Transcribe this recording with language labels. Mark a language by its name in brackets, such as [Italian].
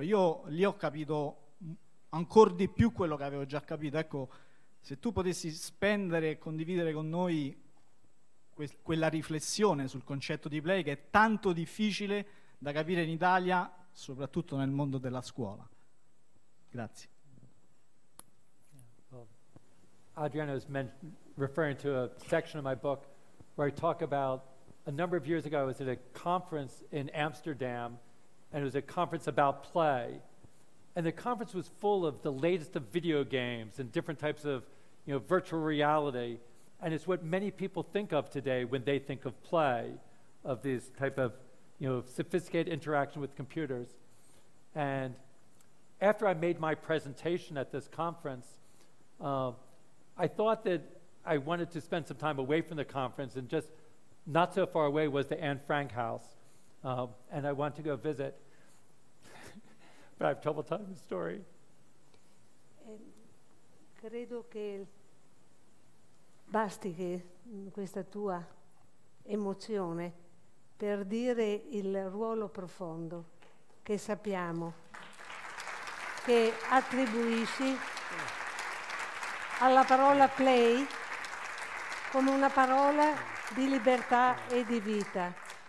[Italian] Io lì ho capito ancora di più quello che avevo già capito. Ecco, se tu potessi spendere e condividere con noi quella riflessione sul concetto di play, che è tanto difficile da capire in Italia, soprattutto nel mondo della scuola. Grazie. [English] Adriano is referring to a section of my book where I talk about a number of years ago I was at a conference in Amsterdam, and it was a conference about play. And the conference was full of the latest of video games and different types of, you know, virtual reality. And it's what many people think of today when they think of play, of this type of, you know, sophisticated interaction with computers. And after I made my presentation at this conference, I thought that I wanted to spend some time away from the conference, and just not so far away was the Anne Frank House, and I wanted to go visit. But I have trouble telling the story. [Italian] Credo che basti che questa tua emozione per dire il ruolo profondo che sappiamo che attribuisci alla parola play come una parola di libertà e di vita.